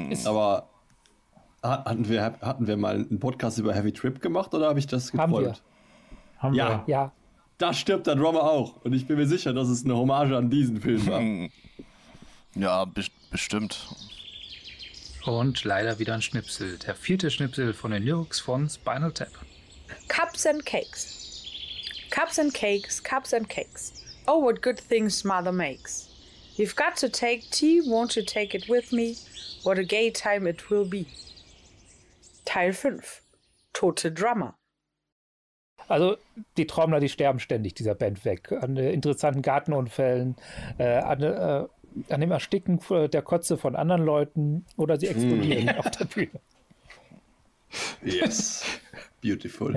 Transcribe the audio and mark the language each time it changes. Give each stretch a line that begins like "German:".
German: aber hatten wir mal einen Podcast über Heavy Trip gemacht oder habe ich das geträumt? Haben wir. Ja. Da stirbt der Drummer auch. Und ich bin mir sicher, dass es eine Hommage an diesen Film war. Ja, bestimmt. Und leider wieder ein Schnipsel. Der vierte Schnipsel von den Lyrics von Spinal Tap.
English: Cups and Cakes. Cups and Cakes, Cups and Cakes. Oh, what good things mother makes. You've got to take tea, won't you take it with me? What a gay time it will be.
German: Teil 5. Tote Drummer. Also die Trommler, die sterben ständig dieser Band weg. An interessanten Gartenunfällen, an dem Ersticken der Kotze von anderen Leuten oder sie explodieren auf der Bühne.
English: Yes, beautiful.